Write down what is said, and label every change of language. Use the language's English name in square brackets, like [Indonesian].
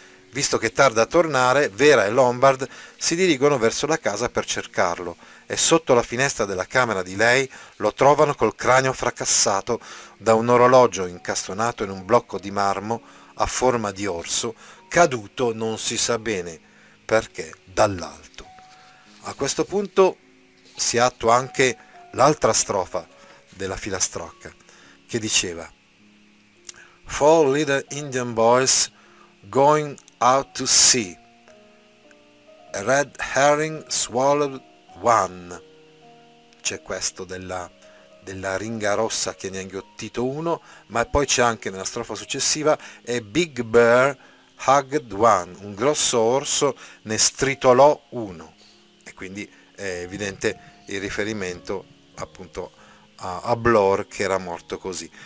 [Italian] Visto che tarda a tornare, Vera e Lombard si dirigono verso la casa per cercarlo e sotto la finestra della camera di lei lo trovano col cranio fracassato da un orologio incastonato in un blocco di marmo a forma di orso, caduto non si sa bene perché dall'alto. A questo punto si attua anche l'altra strofa della filastrocca che diceva: [English] Four little Indian boys going out to sea. A red herring swallowed one. [Italian] C'è questo della ringa rossa che ne ha inghiottito uno, ma poi c'è anche nella strofa successiva: [English] A big bear hugged one. [Italian] Un grosso orso ne stritolò uno. E quindi è evidente il riferimento appunto a Bloor che era morto così.